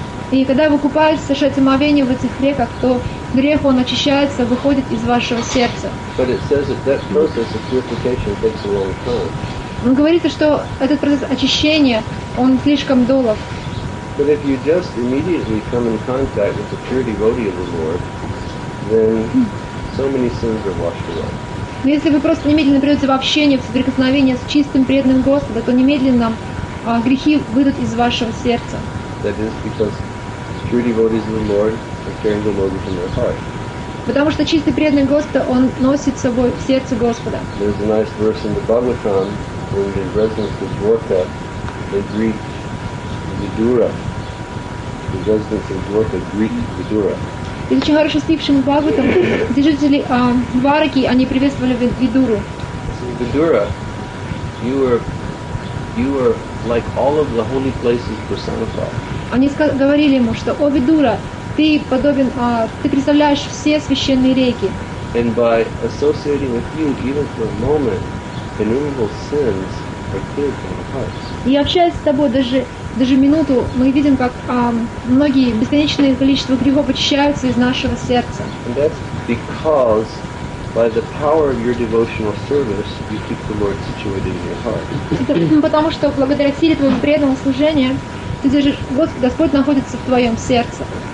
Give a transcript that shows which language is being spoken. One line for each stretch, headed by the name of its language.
Russian: И когда вы купаетесь, совершаете омовение в этих реках, то грех, он очищается, выходит из вашего сердца. Он говорит, что этот процесс очищения, он слишком долг.
English: But if you just immediately come in contact with the pure devotee of the Lord, then so many sins are washed away.
Russian: Но если вы просто немедленно придете в общение, в соприкосновение с чистым преданным Господа, то немедленно грехи выйдут из вашего сердца.
English: That is because pure devotees of the Lord are carrying the load within their heart.
Russian: Потому что чистый преданный Господа, он носит с собой в сердце Господа.
English: There's a nice verse in the Bhagavatam when the residents of Dwarka, they greet Vidura. The residents of Dwarka greet Vidura.
Russian: Есть очень хороший стих в Шримад-Бхагаватам, где жители Двараки, они приветствовали Видуру.
English: Видура, you were like all of the holy places personified.
Russian: Они говорили ему, что, о Видура, ты подобен, ты представляешь все священные реки.
English: And by associating with you, even for a moment, innumerable sins are cleared from our hearts.
Russian: И общаясь с тобой даже минуту, мы видим, как многие бесконечные количества грехов очищаются из нашего сердца.
English: And that's because by the power of your devotional service, you keep the Lord situated in your heart.
Russian: Это потому, что благодаря силе твоего преданного служения, ты держишь, Господь находится в твоем сердце.